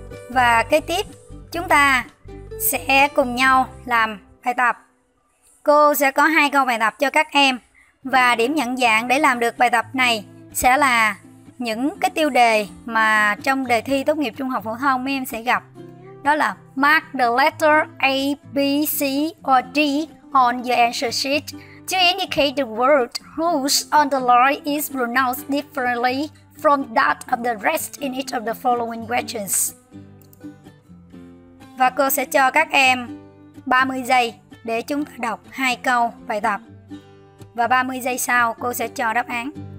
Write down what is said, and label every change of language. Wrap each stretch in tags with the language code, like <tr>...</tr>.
<vi>Và kế tiếp, chúng ta sẽ cùng nhau làm bài tập. Cô sẽ có hai câu bài tập cho các em. Và điểm nhận dạng để làm được bài tập này sẽ là những cái tiêu đề mà trong đề thi tốt nghiệp trung học phổ thông mấy em sẽ gặp. Đó là</vi> <en>mark the letter A, B, C or D on your answer sheet to indicate the word whose underline is pronounced differently from that of the rest in each of the following questions.</en> <vi>Và cô sẽ cho các em 30 giây để chúng ta đọc hai câu bài tập. Và 30 giây sau cô sẽ cho đáp án.</vi>